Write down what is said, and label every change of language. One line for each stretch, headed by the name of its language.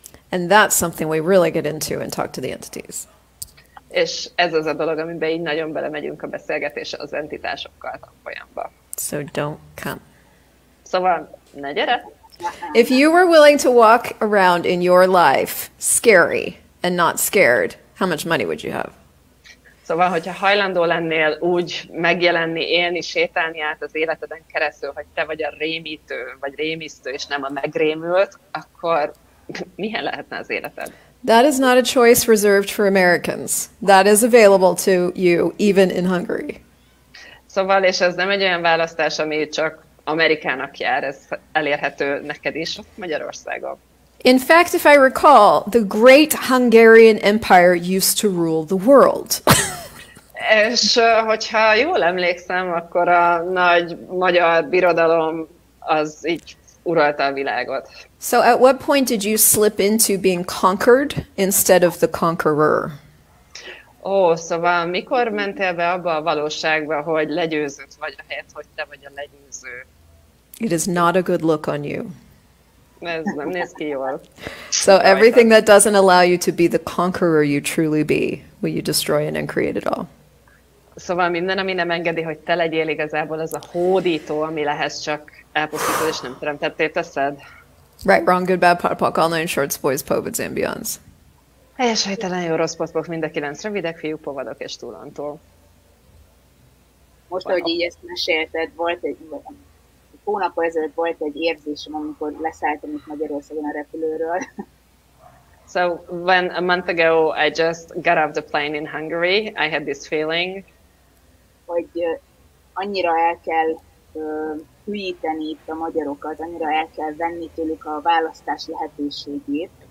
English: And that's something we really get into and talk to the entities.
Hungarian: És ez az a dolog, amiben így nagyon belemegyünk a beszélgetésre az entitásokkal a folyamba.
English: So don't come.
Hungarian: Szóval ne gyere!
English: If you were willing to walk around in your life scary and not scared, how much money would you have?
Hungarian: Szóval, hogyha hajlandó lennél úgy megjelenni, élni, sétálni át az életeden keresztül, hogy te vagy a rémítő, vagy rémisztő, és nem a megrémült, akkor milyen lehetne az életed?
English: That is not a choice reserved for Americans. That is available to you even in Hungary.
Hungarian: Szóval, és ez nem egy olyan választás, ami csak Amerikának jár, ez elérhető neked is Magyarországon.
English: In fact, if I recall, the great Hungarian Empire used to rule the world.
Hungarian: És hogyha jól emlékszem, akkor a nagy magyar birodalom az így uralta a világot.
English: So at what point did you slip into being conquered instead of the conqueror?
Hungarian: Szóval mikor mentél be abba a valóságba, hogy legyőzött vagy a helyet, hogy te vagy a legyőző?
English: It is not a good look on you.
Hungarian: Ez nem néz ki jól.
English: So everything that doesn't allow you to be the conqueror you truly be, will you destroy and create it all?
Hungarian: Szóval minden, ami nem engedi, hogy te legyél igazából az a hódító, ami lehez csak elpusztítod és nem teremtetté teszed.
English: Right, wrong, good, bad, pop, all nine shorts, boys, povids, and beyonds.
Hungarian: Helyes, helytelen, jó, rossz, pocpok, mind a kilenc, rövidek, fiúk, povadok és túlantól. Most, ahogy így ezt mesélted, volt egy hónap ezelőtt volt egy érzésem, amikor leszálltam itt Magyarországon a repülőről.
English: So, when a month ago I just got off the plane in Hungary, I had this feeling.
Hungarian: Hogy annyira el kell hülyíteni itt a magyarokat, annyira el kell venni tőlük a választás lehetőségét.